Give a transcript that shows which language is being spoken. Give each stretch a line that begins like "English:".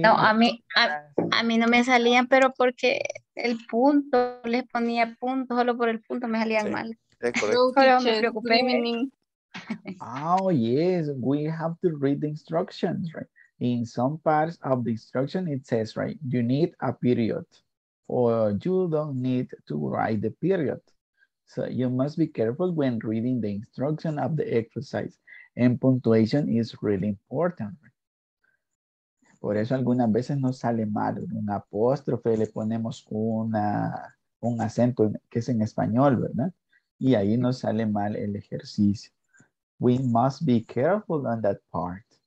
Spanish: No, a mí no me salían, pero porque el punto, les ponía punto, solo por el punto me salían sí, mal. Pero me preocupé, meaning.
English: Oh, yes, we have to read the instructions, right? In some parts of the instruction, it says, right, you need a period, or you don't need to write the period. So you must be careful when reading the instruction of the exercise, and punctuation is really important, right?
Spanish: Por eso algunas veces nos sale mal un apóstrofe, le ponemos un acento que es en español, ¿verdad? Y ahí nos sale mal el ejercicio.
English: We must be careful on that part.